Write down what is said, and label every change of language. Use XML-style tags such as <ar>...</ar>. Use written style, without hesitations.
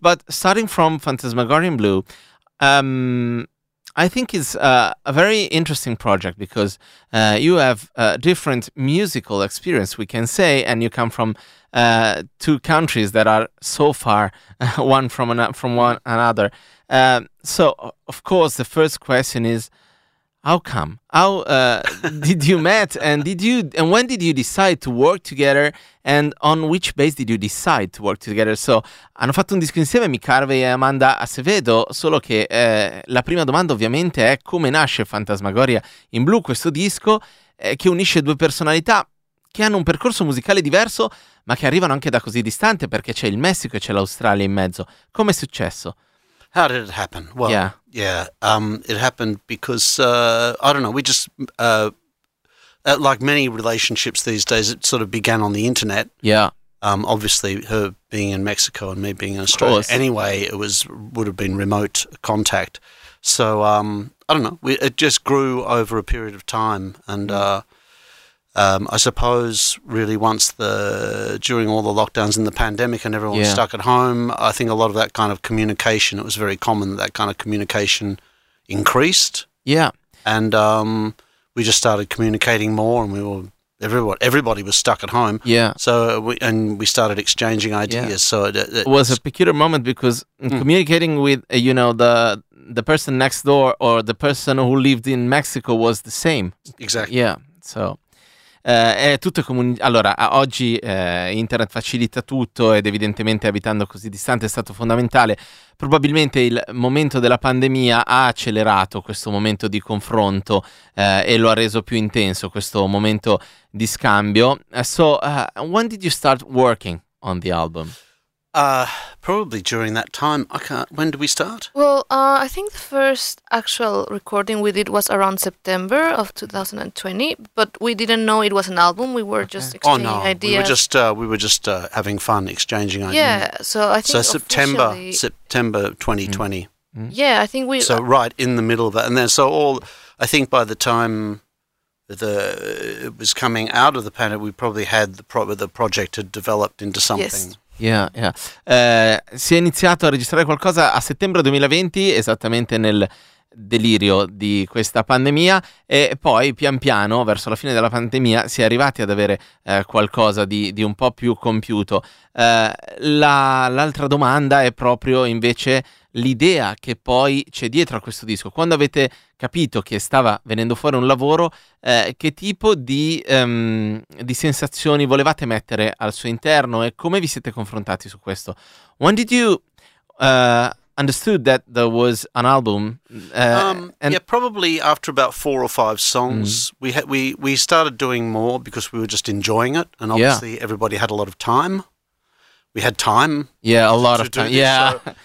<en>But starting from Fantasmagoria in Blue, I think it's a very interesting project because you have a different musical experience, we can say, and you come from two countries that are so far one from another. So, of course, the first question is, how come? How did you meet and when did you decide to work together and on which base did you decide to work together?</en> <it>So, hanno fatto un disco insieme, Mick Harvey e Amanda Acevedo, solo che la prima domanda ovviamente è come nasce Fantasmagoria in Blue, questo disco che unisce due personalità che hanno un percorso musicale diverso ma che arrivano anche da così distante perché c'è il Messico e c'è l'Australia in mezzo. Come è successo?</it> <en>How did it happen? Well, it happened because, I don't know, we just, like many relationships these days, it sort of began on the internet. Yeah. Obviously, her being in Mexico and me being in Australia. Of course. Anyway, it would have been remote contact. So, I don't know, it just grew over a period of time and... I suppose really once during all the lockdowns and the pandemic and everyone was stuck at home, I think a lot of that kind of communication, it was very common that kind of communication increased. Yeah. And we just started communicating more and everybody was stuck at home. Yeah. So we started exchanging ideas. Yeah. So it was a peculiar moment because communicating with, you know, the person next door or the person who lived in Mexico was the same. Exactly. Yeah. So...</en> <it>è tutto allora oggi internet facilita tutto ed evidentemente abitando così distante è stato fondamentale. Probabilmente il momento della pandemia ha accelerato questo momento di confronto e lo ha reso più intenso questo momento di scambio.</it> <en>So when did you start working on the album? Probably during that time. When did we start? Well, I think the first actual recording we did was around September of 2020, but we didn't know it was an album. We were just exchanging ideas. We were just having fun exchanging ideas. Yeah, so I think September 2020. Mm-hmm. Yeah, I think we... So right in the middle of that. And then so all... I think by the time it was coming out of the pandemic, we probably had the project had developed into something. Yes. Yeah, yeah.</en> <it>Si è iniziato a registrare qualcosa a settembre 2020, esattamente nel delirio di questa pandemia, e poi pian piano verso la fine della pandemia si è arrivati ad avere qualcosa di un po' più compiuto. L'altra domanda è proprio invece l'idea che poi c'è dietro a questo disco. Quando avete capito che stava venendo fuori un lavoro, che tipo di sensazioni volevate mettere al suo interno e come vi siete confrontati su questo?</it> <en>When did you understood that there was an album? Probably after about 4 or 5 songs. Mm-hmm. We started doing more because we were just enjoying it, and obviously everybody had a lot of time. We had time. Yeah, a lot of time. This, yeah.</en>